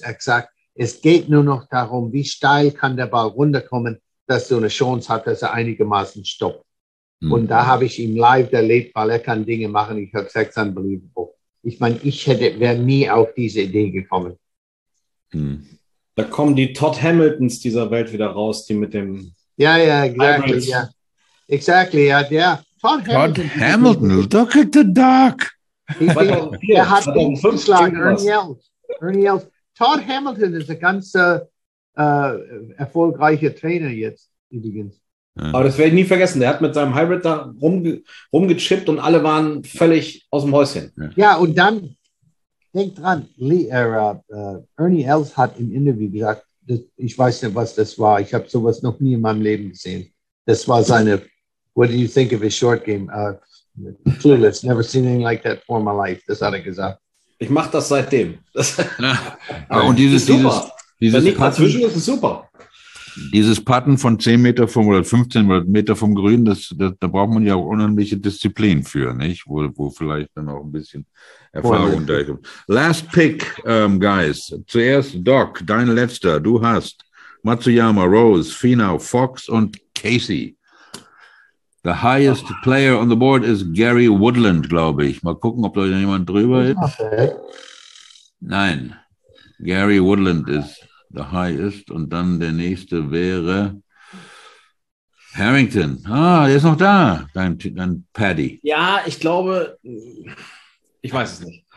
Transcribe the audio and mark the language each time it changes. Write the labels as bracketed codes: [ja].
[de] Er hat gesagt, es geht nur noch darum, wie steil kann der Ball runterkommen, dass du eine Chance hast, dass er einigermaßen stoppt. Mhm. Und da habe ich ihm live erlebt, weil er kann Dinge machen. Ich habe gesagt, es ist unbelievable. Ich meine, ich wäre nie auf diese Idee gekommen. Mhm. Da kommen die Todd Hamiltons dieser Welt wieder raus, die mit dem... Ja, ja, exactly, ja. Exactly, ja, der... [en] Todd Hamilton, look at the duck! [de] Er hat den Schlag, Ernie Els. Todd Hamilton ist ein ganz erfolgreicher Trainer jetzt, übrigens. Aber das werde ich nie vergessen. Der hat mit seinem Hybrid da rumgechippt und alle waren völlig aus dem Häuschen. Ja, und dann... Denk dran, Ernie Els hat im Interview gesagt, ich weiß nicht, was das war. Ich habe sowas noch nie in meinem Leben gesehen. Das war seine, [en] what do you think of his short game? Clueless, never seen anything like that for my life. [de] Das hat er gesagt. Ich mache das seitdem. Und dieses Putten, ist super. Dieses Putten von 10 Meter vom oder 15 Meter vom Grün, das, da braucht man ja auch unheimliche Disziplin für, nicht? Wo vielleicht dann auch ein bisschen Erfahrung da kommt. [en] Last pick, guys. [de] Zuerst Doc, dein letzter. Du hast Matsuyama, Rose, Finau, Fox und Casey. [en] The highest player on the board is Gary Woodland, [de] glaube ich. Mal gucken, ob da jemand drüber ist. Nein. Gary Woodland ist [en] the highest. [de] Und dann der nächste wäre Harrington. Ah, der ist noch da. Dein Paddy. Ja, ich glaube... Ich weiß es nicht.